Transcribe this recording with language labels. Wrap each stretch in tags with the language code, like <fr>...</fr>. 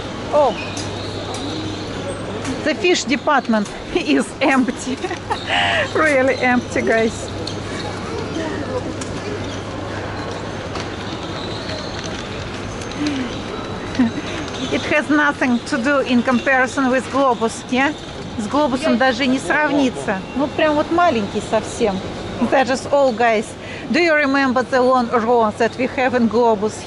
<en>Oh, the fish department is empty. Really empty, guys. It has nothing to do in comparison with Globus, yeah?</en> <ru>С Глобусом даже не сравнится. Ну, прям вот маленький совсем.</ru> <en>That is all, guys. Do you remember the long row that we have in Globus?</en>